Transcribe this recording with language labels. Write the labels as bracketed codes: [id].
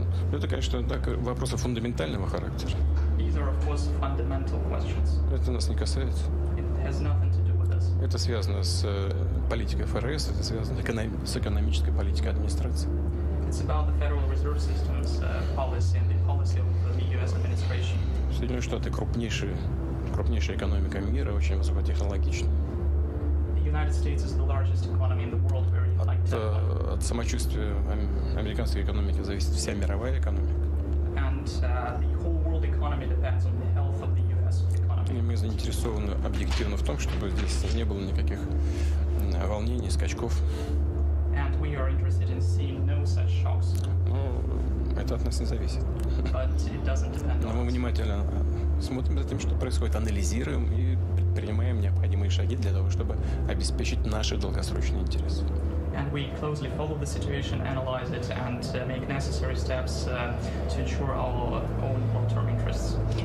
[ru] Ну, это, конечно, так, вопросы фундаментального характера. [en] These are, of course, fundamental questions. [ru] Это нас не касается. [en] It has nothing to do with us. [ru] Это связано с политикой ФРС, это связано с экономической политикой администрации. [en] It's about the Federal Reserve System's policy and the policy of the US administration. [ru] Соединенные Штаты крупнейшая экономика мира, очень высокотехнологичная. [en] United States is the largest economy in the world, very high-tech. [ru] От самочувствия американской экономики зависит вся мировая экономика. [en] And the whole world economy depends on the health of the US economy. [ru] И мы заинтересованы объективно в том, чтобы здесь не было никаких волнений, скачков. [en] And we are interested in seeing no such shocks. [ru] Ну, это от нас не зависит. [en] But it doesn't depend on us. [ru] Но мы внимательно смотрим за тем, что происходит, анализируем и принимаем необходимые шаги для того, чтобы обеспечить наши долгосрочные интересы. [en] And we closely follow the situation, analyze it, and make necessary steps to ensure our own long-term interests.